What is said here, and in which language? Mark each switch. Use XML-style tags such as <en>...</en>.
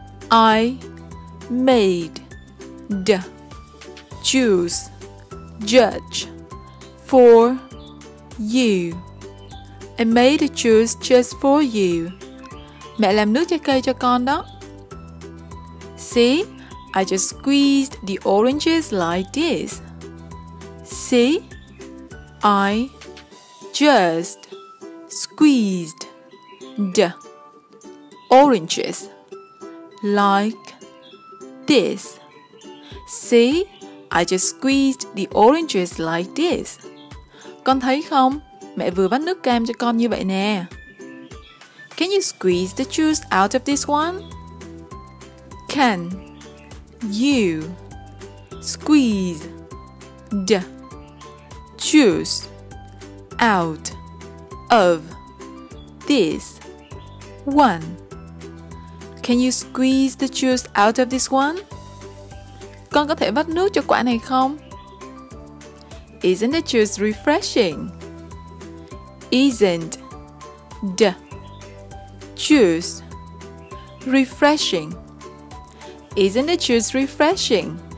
<en>I made the juice just for you. I made a juice just for you.</en> <vi>Mẹ làm nước trái cây cho con đó.</vi> <en>See, I just squeezed the oranges like this. See, I just squeezed the oranges like this. See, I just squeezed the oranges like this.</en> <vi>Con thấy không? Mẹ vừa vắt nước cam cho con như vậy nè.</vi> <en>Can you squeeze the juice out of this one? Can you squeeze the juice out of this one? Can you squeeze the juice out of this one?</en> <vi>Con có thể vắt nước cho quả này không?</vi> <en>Isn't the juice refreshing? Isn't the juice refreshing? Isn't the juice refreshing?</en>